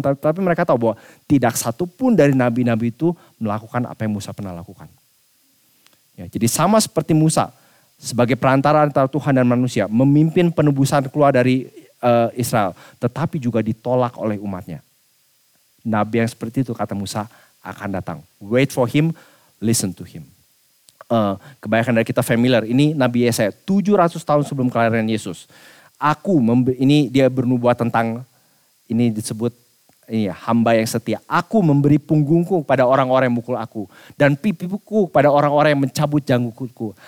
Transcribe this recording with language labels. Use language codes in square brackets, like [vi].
[id] Tapi mereka tahu bahwa tidak satupun dari nabi-nabi itu melakukan apa yang Musa pernah lakukan. Ya, jadi sama seperti Musa sebagai perantara antara Tuhan dan manusia, memimpin penebusan keluar dari Israel, tetapi juga ditolak oleh umatnya. Nabi yang seperti itu, kata Musa, akan datang. [en] Wait for him, listen to him. [id] Kebanyakan dari kita familiar, ini Nabi Yesaya, 700 tahun sebelum kelahiran Yesus. Ini dia bernubuat tentang, ini disebut, ini hamba yang setia. Aku memberi punggungku pada orang-orang yang mukul aku, dan pipiku pada orang-orang yang mencabut janggutku.